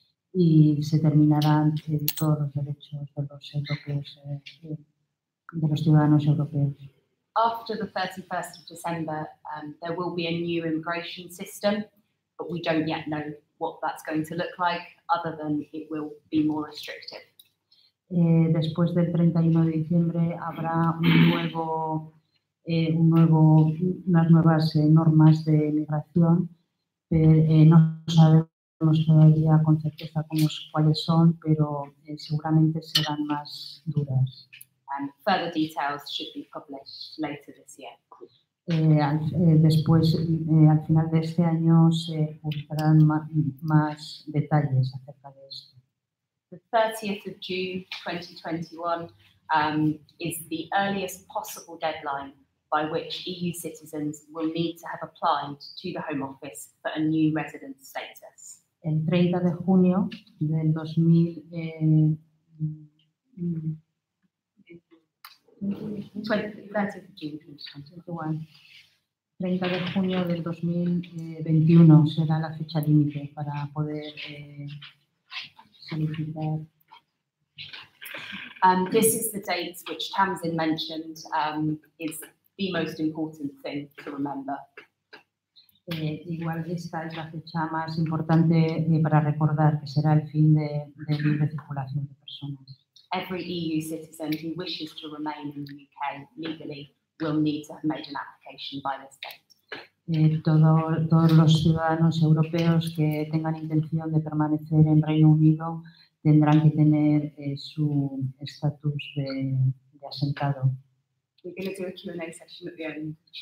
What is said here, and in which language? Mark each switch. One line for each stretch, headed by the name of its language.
Spanish: Y se terminarán todos los derechos de los europeos, de los ciudadanos europeos.
English: After the 31st of December, there will be a new immigration system, but we don't yet know what that's going to look like, other than it will be more restrictive.
Spanish: Después del 31 de diciembre habrá unas nuevas normas de migración, pero no sabemos. No sabría con certeza cuáles son, pero seguramente serán más duras.
English: And further details should be published later this year.
Spanish: Al final de este año se publicarán más detalles acerca de esto.
English: The 30th of June 2021 is the earliest possible deadline by which EU citizens will need to have applied to the Home Office for a new resident status.
Spanish: El 30 de junio del 2021 será la fecha límite para poder solicitar.
English: This is the date which Tamsin mentioned is the most important thing to remember.
Spanish: Igual esta es la fecha más importante para recordar, que será el fin de libre circulación de personas.
English: Every EU citizen who wishes to remain in the UK legally will need to have made an application by this date.
Spanish: Todos los ciudadanos europeos que tengan intención de permanecer en Reino Unido tendrán que tener su estatus de asentado.
English: We're going to do a Q&A session at the end.